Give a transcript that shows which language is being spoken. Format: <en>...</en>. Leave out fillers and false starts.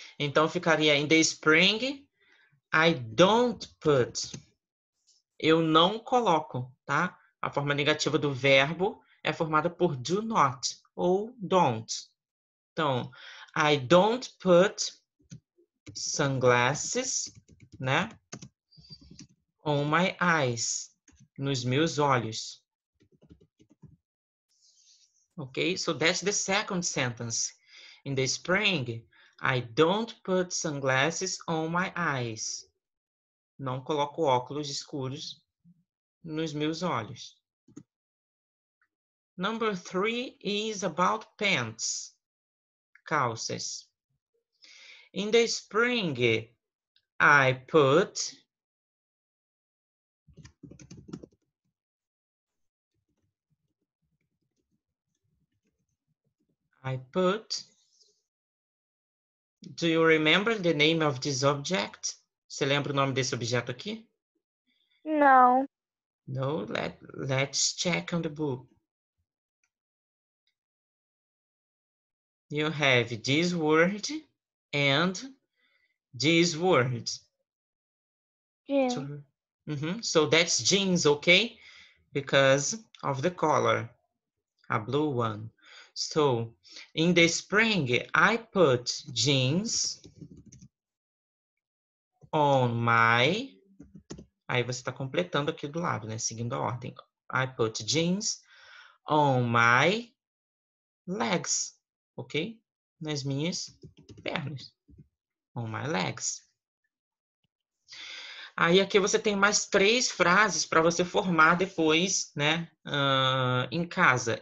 <pt>Então ficaria</pt> <en>in the spring, I don't put.</en> <pt>Eu não coloco, tá? A forma negativa do verbo é formada por do not ou don't.</pt> <en>Então, I don't put sunglasses, né? On my eyes,</en> <pt>nos meus olhos.</pt> <en>Ok? So that's the second sentence. In the spring, I don't put sunglasses on my eyes.</en> <pt>Não coloco óculos escuros nos meus olhos.</pt> <en>Number three is about pants. Calças. In the spring, I put Do you remember the name of this object?</en> <pt>Você lembra o nome desse objeto aqui? Não.</pt> <en>No, let's check on the book. You have this word and this word. Jeans. So that's jeans, okay? Because of the color, a blue one. So in the spring, I put jeans on my.</en> <pt>Aí você está completando aqui do lado, né? Seguindo a ordem.</pt> <en>I put jeans on my legs, ok?</en> <pt>Nas minhas pernas.</pt> <en>On my legs.</en> <pt>Aí aqui você tem mais três frases para você formar depois, né? Em casa.</pt>